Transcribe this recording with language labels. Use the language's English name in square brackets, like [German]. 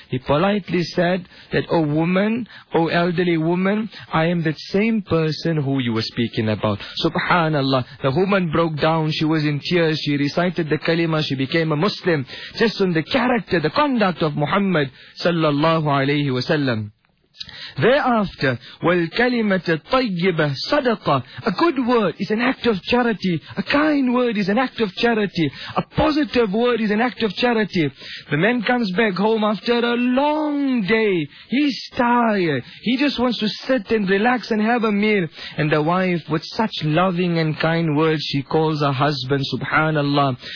[English] He politely said that, "Oh woman, oh elderly woman, I am that same person who you were speaking about." Subhanallah, the woman broke down, she was in tears, she recited the kalima, she became a Muslim, just on the character, the conduct of Muhammad sallallahu alayhi wasallam. Thereafter, [Arabic] وَالْكَلِمَةَ الطَّيِّبَةَ صَدَقَةَ. [English] A good word is an act of charity. A kind word is an act of charity. A positive word is an act of charity. The man comes back home after a long day. He's tired. He just wants to sit and relax and have a meal. And the wife, with such loving and kind words, she calls her husband, subhanallah.